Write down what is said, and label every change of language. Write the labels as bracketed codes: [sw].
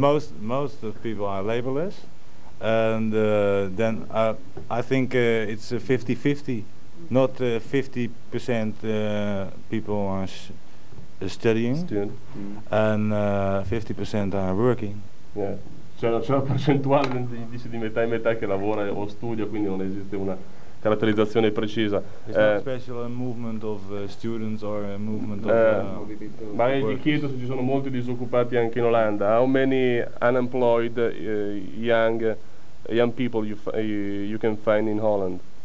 [en] So most of people are labourless, and then I think it's 50-50, not 50% people are. Studying and 50% are working. Yeah. [it] C'è una percentuale di metà e metà che lavora o studia, quindi non esiste una caratterizzazione precisa. [en] Special movement of students or a movement of [it] ma gli chiedo se ci sono molti disoccupati anche in Olanda. [en] How many unemployed young people you can find in Holland?